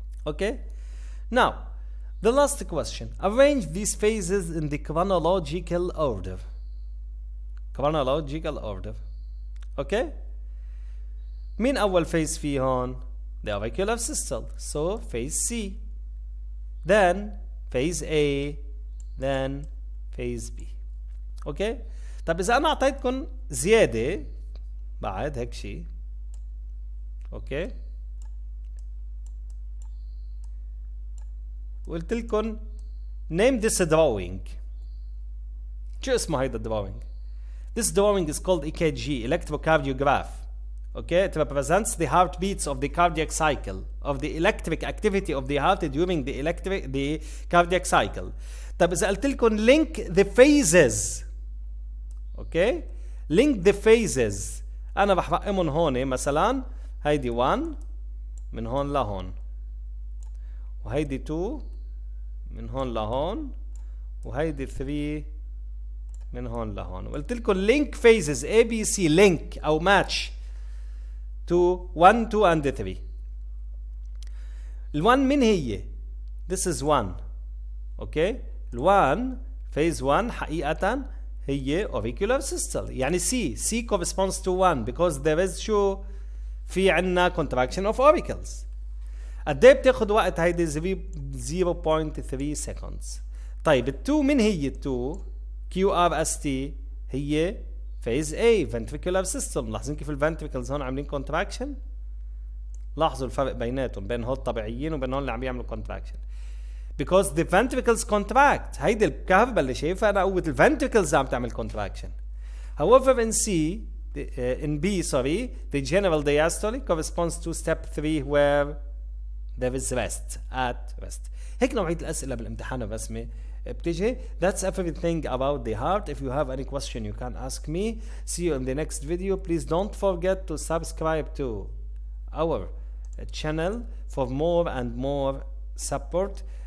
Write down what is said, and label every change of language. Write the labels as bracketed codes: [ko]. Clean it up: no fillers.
[en] Okay. Now, the last question. Arrange these phases in the chronological order. Chronological order. Okay. [ar] مين أول phase في هون؟ [en] The auricular systole, so phase C, then phase A, then phase B. Okay? [ar] طب إذا أنا أعطيتكم زيادة بعد هيك شيء. [en] Okay? [ar] وقلت لكم [en] name this drawing. [ar] شو اسمه هيدا drawing? [en] This drawing is called EKG, electrocardiograph. Okay, it represents the heartbeats of the cardiac cycle, of the electric activity of the heart during the electric, the cardiac cycle. [ar] طب إذا قلت لكم [en] link the phases. Okay, link the phases. [ar] أنا رح رقمهم هون مثلا هيدي 1 من هون لهون. وهيدي 2 من هون لهون. وهيدي 3 من هون لهون. وقلت لكم [en] link phases A, B, C, link [ar] أو [en] match. To 1, 2, and 3. The one, min هي. This is one. Okay. The one, phase one, [ar] حقيقة هي [en] auricular systole. [ar] يعني C. [en] C corresponds to one because there is [ar] شو في عنا [en] contraction of auricles. [ar] قد ايه بتاخد وقت هيدي 0.3 seconds. طيب two من هي two. [en] QRST هي Phase A, ventricular system. [ar] لاحظين كيف الventricles هون عاملين contraction؟ لاحظوا الفرق بيناتهم بين هول الطبيعيين وبين هول اللي عم يعملوا contraction. [en] Because the ventricles contract. [ar] هيدي الكهربا اللي شايفها أنا قوة الventricles عم تعمل contraction. [en] However in C, in B, the general diastole corresponds to step 3 where there is rest, at rest. [ar] هيك نوعية الأسئلة بالامتحان الرسمي بتجي. [en] That's everything about the heart. If you have any question you can ask me. See you in the next video. Please don't forget to subscribe to our channel for more and more support.